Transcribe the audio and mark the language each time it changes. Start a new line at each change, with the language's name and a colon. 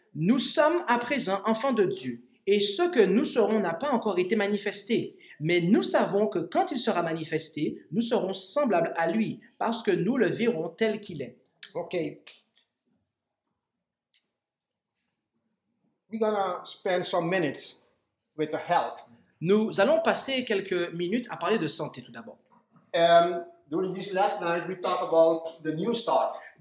French: Nous sommes à présent enfants de Dieu, et ce que nous serons n'a pas encore été manifesté. Mais nous savons que quand il sera manifesté, nous serons semblables à lui, parce que nous le verrons tel qu'il est. Ok.
English: We're gonna spend some minutes with the health.
French: Nous allons passer quelques minutes à parler de santé tout d'abord.
English: During this last night, we talked about the new start.